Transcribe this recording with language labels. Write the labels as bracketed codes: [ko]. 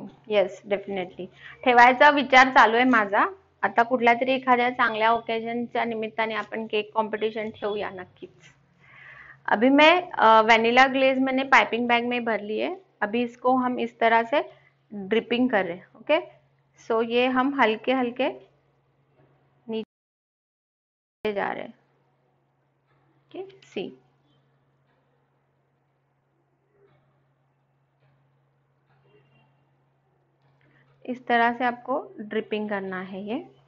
[mr] Yes, definitely ठेवायचा विचार चालू आहे माझा. आता कुठल्या तरी एखाद्या चांगल्या ओकेजनच्या निमित्ताने आपण केक कॉम्पिटिशन ठेवूया नक्कीच. [hi] अभी मैं वॅनिला ग्लेज मैंने पाइपिंग बॅग में [mr] भरली आहे. [hi] अभी इसको हम इस तरह से ड्रिपिंग कर रहे. ओके, सो ये हम हलके हलके नीचे जा रहे. ओके, सी इस तरह से आपको ड्रिपिंग करना है ये.